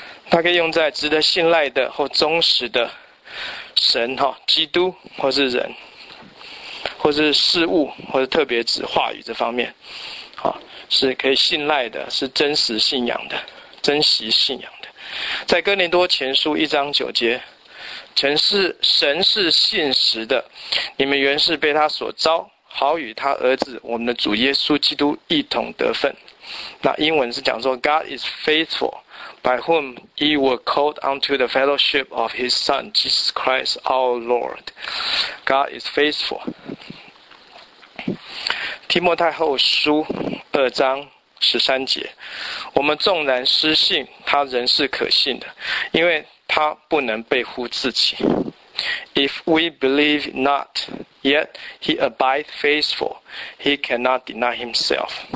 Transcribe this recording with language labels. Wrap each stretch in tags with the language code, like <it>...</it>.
<zh>它可以用在值得信赖的或忠实的神哈，基督或是人，或是事物，或是特别指话语这方面，啊，是可以信赖的，是真实信仰的，珍惜信仰的。在哥林多前书1:9，神是信实的，你们原是被他所召，好与他儿子我们的主耶稣基督一同得分。那英文是讲说</zh> <en>God is faithful by whom he was called unto the fellowship of his son Jesus Christ our Lord. God is faithful.</en> <zh>提摩太后书2:13，我们纵然失信，他仍是可信的，因为他不能背乎自己。</zh> <en>If we believe not, yet he abides faithful, he cannot deny himself.</en>